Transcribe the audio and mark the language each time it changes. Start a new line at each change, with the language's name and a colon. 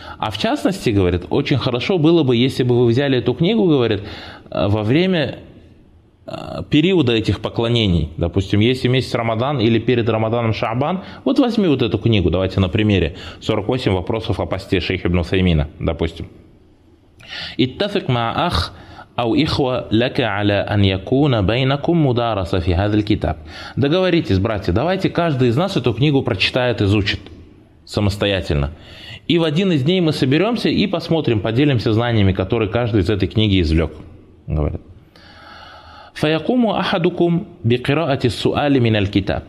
Russian: А в частности, говорит, очень хорошо было бы, если бы вы взяли эту книгу, говорит, во время периода этих поклонений. Допустим, если месяц Рамадан или перед Рамаданом Шаабан, вот возьми вот эту книгу, давайте на примере. 48 вопросов о посте шейха Ибн Саймина, допустим.
Arabic: اتفق مع أخ أو إخوة لك على أن يكون بينكم مدارسة في هذا الكتاب.
Russian: Договоритесь, братья, давайте каждый из нас эту книгу прочитает, изучит самостоятельно. И в один из дней мы соберемся и посмотрим, поделимся знаниями, которые каждый из этой книги извлек, говорит.
Arabic: فَيَقُمُ أَحَدُكُمْ بِقِرَاءَةِ السُّؤَالِ مِنَ الْكِتَابِ.